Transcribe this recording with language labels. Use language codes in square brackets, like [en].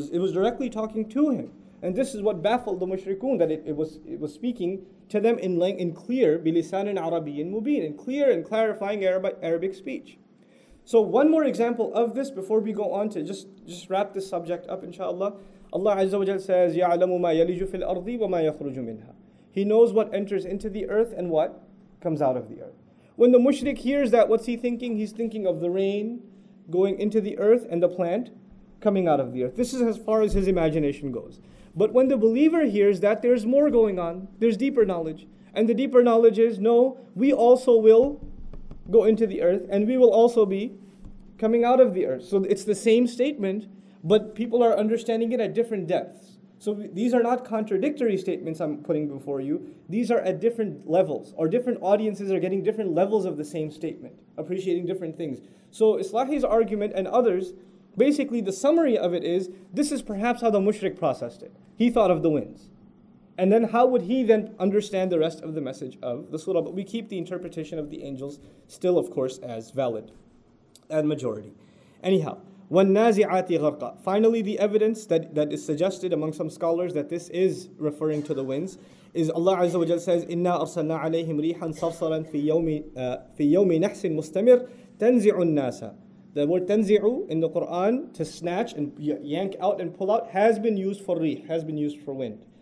[en] It was directly talking to him. And this is what baffled the mushrikun, that it was speaking to them in clear, [ar] bilisanin arabiyin mubin, [en] in clear and clarifying Arabic speech. So one more example of this before we go on to just wrap this subject up, inshallah. Allah Azza wa Jal says, [ar] يَعْلَمُ مَا يَلِجُ فِي الْأَرْضِ وَمَا يَخْرُجُ مِنْهَا. [en] He knows what enters into the earth and what comes out of the earth. When the mushrik hears that, what's he thinking? He's thinking of the rain going into the earth and the plant coming out of the earth. This is as far as his imagination goes. But when the believer hears that, there's more going on. There's deeper knowledge. And the deeper knowledge is, no, we also will go into the earth and we will also be coming out of the earth. So it's the same statement, but people are understanding it at different depths. So these are not contradictory statements I'm putting before you. These are at different levels, or different audiences are getting different levels of the same statement, appreciating different things. So Islahi's argument and others, basically the summary of it is, this is perhaps how the mushrik processed it. He thought of the winds. And then how would he then understand the rest of the message of the surah? But we keep the interpretation of the angels still, of course, as valid and majority. [ar] Anyhow, وَالنَّازِعَاتِ غَرْقًا. [en] Finally, the evidence that is suggested among some scholars that this is referring to the winds is Allah Azza wa Jal says, [ar] إِنَّا أَرْسَلْنَا عَلَيْهِمْ رِيحًا صَرْصَرًا فِي يَوْمِ نَحْسٍ مُسْتَمِرٍ تَنْزِعُ النَّاسَ. [en] The word تَنْزِعُ in the Qur'an, to snatch and yank out and pull out, has been used for rih, has been used for wind.